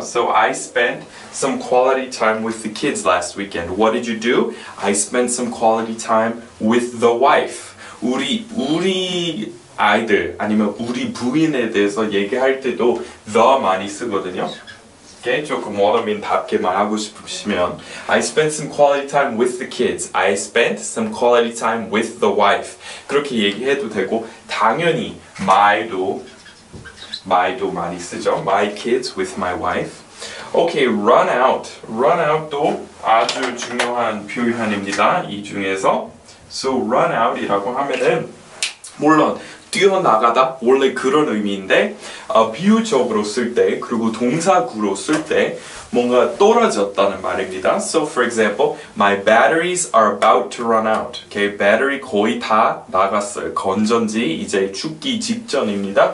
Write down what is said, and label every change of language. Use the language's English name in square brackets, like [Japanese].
[English] So I spent some quality time with the kids last weekend. What did you do? I spent some quality time with the wife. [Korean] 우리 아이들 아니면 우리 부인에 대해서 얘기할 때도 the 많이 쓰거든요. 조금 원어민답게 말하고 싶으시면 [English] I spent some quality time with the kids. I spent some quality time with the wife. [Korean] 그렇게 얘기해도 되고 당연히 my도 많이 쓰죠. [English] My kids with my wife. Okay, run out. [Korean] Run out도 아주 중요한 표현입니다. 이 중에서 So run out이라고 하면은 물론 뛰어나가다 원래 그런 의미인데 비유적으로 쓸 때 그리고 동사구로 쓸 때 뭔가 떨어졌다는 말입니다. [English] So for example, my batteries are about to run out. [Korean] Okay, 배터리 거의 다 나갔어요. 건전지 이제 죽기 직전입니다.